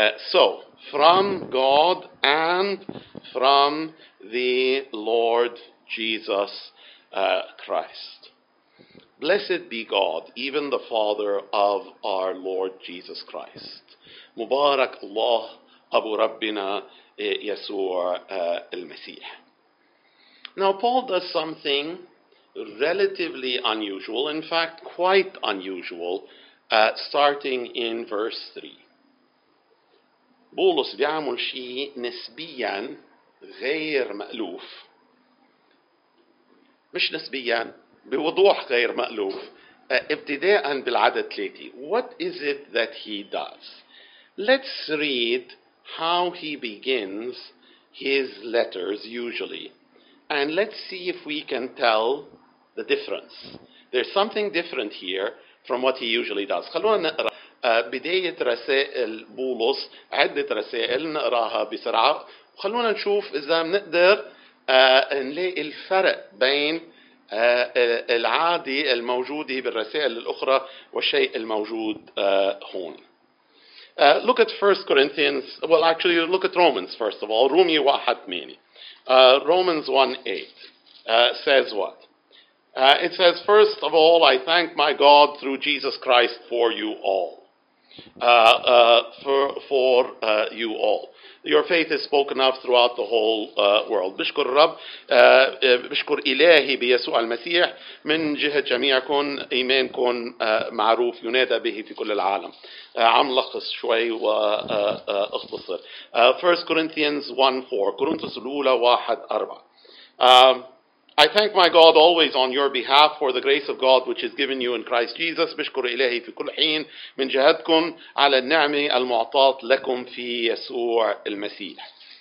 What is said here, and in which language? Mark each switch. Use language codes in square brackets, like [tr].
[en] So from God and from the Lord Jesus Christ. Blessed be God, even the Father of our Lord Jesus Christ. [ar] مبارك الله أبو ربنا يسوع المسيح. [en] Now Paul does something relatively unusual, in fact quite unusual, starting in verse 3. [ar] بولس بيعمل شيء نسبيا غير مألوف. مش نسبيا, بوضوح غير مألوف, ابتداء بالعدد 3. [en] What is it that he does? Let's read how he begins his letters usually, and let's see if we can tell the difference. There's something different here from what he usually does. [ar] خلونا نقرا بداية رسائل بولس, عدة رسائل نقراها بسرعة, وخلونا نشوف إذا منقدر نلاقي الفرق بين العادي الموجود بالرسائل الأخرى والشيء الموجود هون. [en] Look at 1 Corinthians, well actually look at Romans first of all, رومي 1:8. Romans 1:8 says what? It says, first of all, I thank my God through Jesus Christ for you all. You all. Your faith is spoken of throughout the whole world. [ar] بشكر الرب, بشكر إلهي بيسوع المسيح من جهة جميعكم, إيمانكم معروف ينادى به في كل العالم. عم لخص شوي واختصر. 1 Corinthians 1:4. كورنثوس الأولى 1:4. [en] I thank my God always on your behalf for the grace of God which is given you in Christ Jesus. [ar] بشكر إلهي في كل حين من جهتكم على النعمة المعطاة لكم في يسوع المسيح.